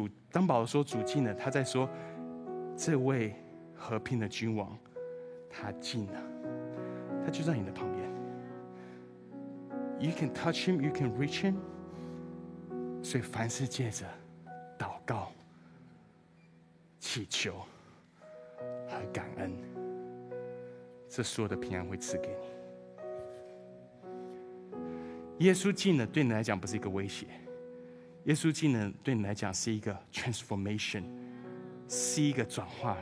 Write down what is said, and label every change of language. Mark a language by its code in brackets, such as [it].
[zh] 当保罗说主近了，他在说这位和平的君王，他近了，他就在你的旁边。 [en] You can touch him, you can reach him。 [zh] 所以凡事借着祷告、祈求和感恩，这所有的平安会赐给你。耶稣近了对你来讲不是一个威胁，耶稣近了对你来讲是一个 transformation， 是一个转化。